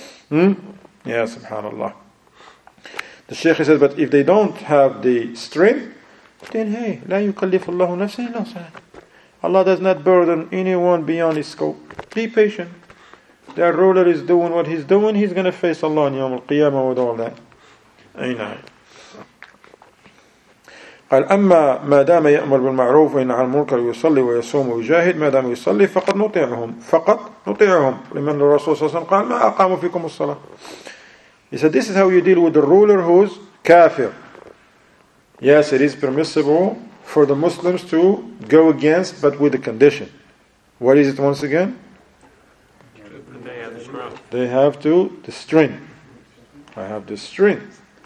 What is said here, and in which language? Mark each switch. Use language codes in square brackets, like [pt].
[en] Yeah, subhanAllah. The Shaykh says, but if they don't have the strength, then hey, la yukallif Allahu nafsan illa wus'aha. Allah does not burden anyone beyond his scope. Be patient. That ruler is doing what he's doing, he's going to face Allah on Yawm al-Qiyamah with all that. Ayna'i. [ar] قال أما ما دام يأمر بالمعروف وينهى عن المنكر ويصلي ويصوم ويجاهد ما دام يصلي فقد نطيعهم فقط نطيعهم لمن الرسول صلى الله عليه وسلم قال ما أقام فيكم الصلاة. [en] He said this is how you deal with the ruler who's kafir. Yes, it is permissible for the Muslims to go against, but with a condition. What is it once again? They have to the strength. I have the strength.